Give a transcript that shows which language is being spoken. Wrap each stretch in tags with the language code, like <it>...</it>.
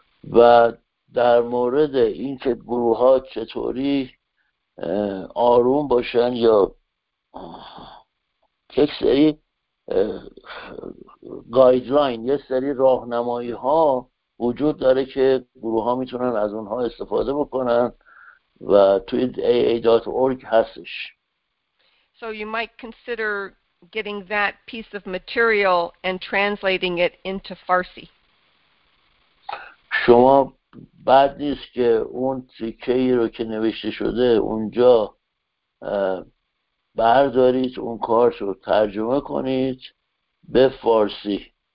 <fa>و در مورد اینکه گروه ها چطوری آروم باشن یا یک سری گایدلاین، یه سری راهنمایی ها وجود داره که گروه ها میتونن از اونها استفاده بکنن و توی AA.org هستش.</fa> <en>So you might consider getting that piece of material and translating it into Farsi.</en> <fa>شما بد نیست که اون تیکه‌ای رو که نوشته شده اونجا بردارید، اون کارت رو ترجمه کنید به فارسی.</fa>